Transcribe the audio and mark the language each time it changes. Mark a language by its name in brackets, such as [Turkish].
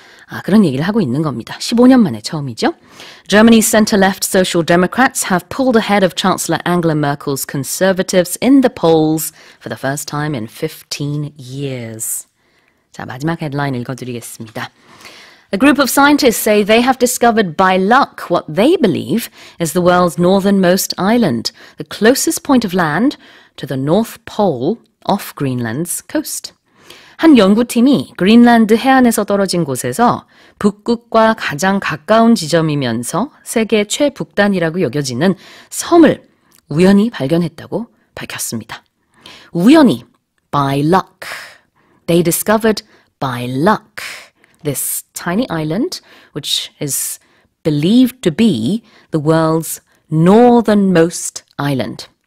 [Korean] 아, 그런 얘기를 하고 있는 겁니다. 15년 만에 처음이죠. [English] Germany's center-left social democrats have pulled ahead of Chancellor Angela Merkel's conservatives in the polls for the first time in 15 years. [Korean] 자, 마지막 헤드라인 읽어드리겠습니다. [English] A group of scientists say they have discovered by luck what they believe is the world's northernmost island, the closest point of land to the North Pole off Greenland's coast. [Korean] 한 연구팀이 그린란드 해안에서 떨어진 곳에서 북극과 가장 가까운 지점이면서 세계 최북단이라고 여겨지는 섬을 우연히 발견했다고 밝혔습니다. 우연히, [English] by luck. They discovered by luck this tiny island, which is believed to be the world's northernmost island.